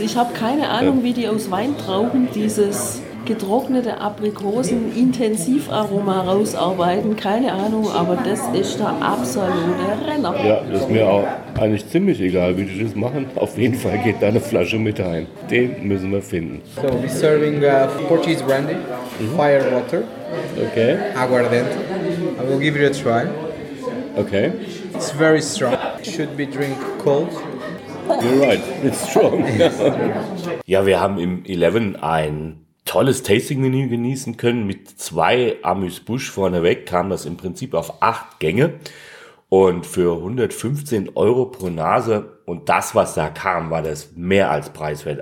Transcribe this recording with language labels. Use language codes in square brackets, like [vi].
[de] Ich habe keine Ahnung, wie die aus Weintrauben dieses getrocknete Aprikosen Intensivaroma rausarbeiten, keine Ahnung, aber das ist der absolute Renner. Ja, das ist mir auch eigentlich ziemlich egal, wie die das machen. Auf jeden Fall geht da eine Flasche mit rein. Den müssen wir finden. [en] So, we're serving Portuguese brandy, fire water, okay. Aguardente. I will give you a try. Okay. It's very strong. It should be drink cold. You're right, it's strong. [de] Ja, wir haben im 11 ein tolles Tasting-Menü genießen können mit zwei Amuse-Bouche vorneweg, kam das im Prinzip auf 8 Gänge. Und für 115 Euro pro Nase und das, was da kam, war das mehr als preiswert.